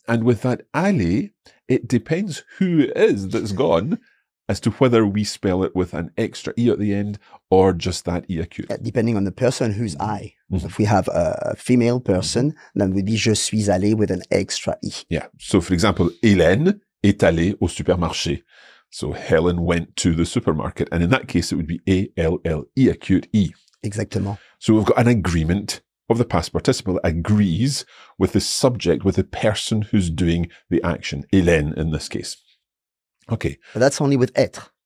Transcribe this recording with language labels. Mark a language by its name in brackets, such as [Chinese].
[English] And with that allé, it depends who it is that's gone as to whether we spell it with an extra E at the end or just that E acute. Depending on the person who's I. Mm-hmm. If we have a female person, then it would be [French] je suis allé [English] with an extra E. Yeah. So for example, [French] Hélène est allée au supermarché. [English] So Helen went to the supermarket. And in that case, it would be A-L-L-E acute E. [French] Exactement. [English] So we've got an agreement of the past participle that agrees with the subject, with the person who's doing the action. Hélène in this case. Okay. But that's only with être.